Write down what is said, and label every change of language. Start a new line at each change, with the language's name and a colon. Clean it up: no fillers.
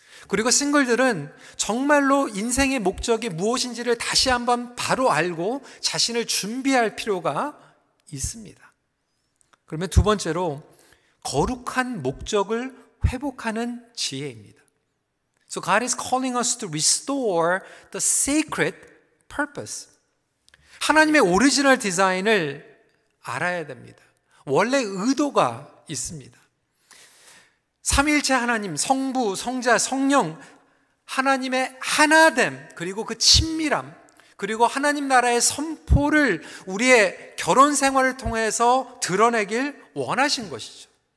Korean: 그리고 싱글들은 정말로 인생의 목적이 무엇인지를 다시 한번 바로 알고 자신을 준비할 필요가 있습니다. 그러면 두 번째로 거룩한 목적을 회복하는 지혜입니다.
English: So God is calling us to restore the sacred purpose.
Korean: 하나님의 오리지널 디자인을 알아야 됩니다. 원래 의도가 있습니다. 삼위일체 하나님, 성부, 성자, 성령, 하나님의 하나됨, 그리고 그 친밀함, 그리고 하나님 나라의 선포를 우리의 결혼 생활을 통해서 드러내길 원하신 것이죠.